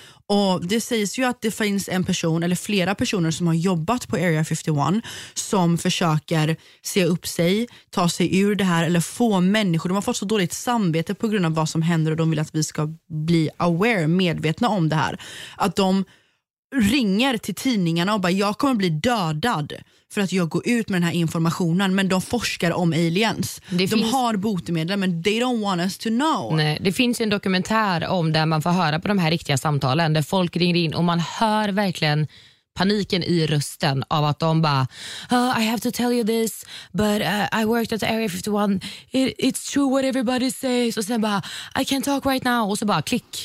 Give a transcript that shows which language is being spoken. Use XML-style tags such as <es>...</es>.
<sv>Och det sägs ju att det finns en person eller flera personer som har jobbat på Area 51 som försöker se upp sig, ta sig ur det här eller få människor. De har fått så dåligt samvete på grund av vad som händer och de vill att vi ska bli aware, medvetna om det här. Att de ringer till tidningarna och bara, jag kommer bli dödad för att jag går ut med den här informationen, men de forskar om aliens. Har botemedel, men</sv> <en>they don't want us to know.</en> <sv>Nej, det finns ju en dokumentär om där man får höra på de här riktiga samtalen där folk ringer in och man hör verkligen paniken i rösten av att de bara,</sv> <en>oh, I have to tell you this, but I worked at Area 51, it's true what everybody says,</en> <sv>och sen bara,</sv> <en>I can't talk right now,</en> <sv>och så bara klick.</sv>